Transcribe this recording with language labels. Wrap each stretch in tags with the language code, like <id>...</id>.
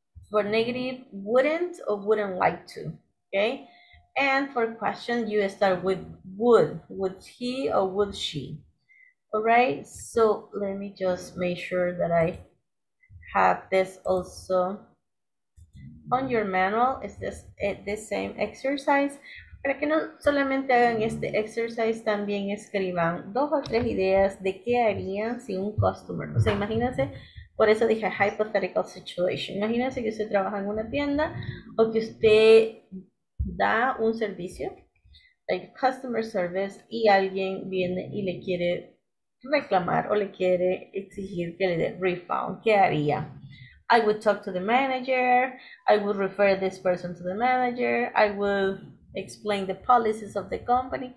<en>For negative, wouldn't or wouldn't like to, okay? And for question, you start with would he or would she, all right? So let me just make sure that I have this also on your manual. Is this the same exercise?</en> <es>Para que no solamente hagan este exercise, también escriban dos o tres ideas de qué harían si un customer, o sea, imagínense, por eso dije</es> <en>hypothetical situation.</en> <es>Imagínense que usted trabaja en una tienda o que usted da un servicio,</es> <en>like customer service,</en> <es>y alguien viene y le quiere reclamar o le quiere exigir que le dé refund. ¿Qué haría?</es> <en>I would talk to the manager. I would refer this person to the manager. I would explain the policies of the company.</en>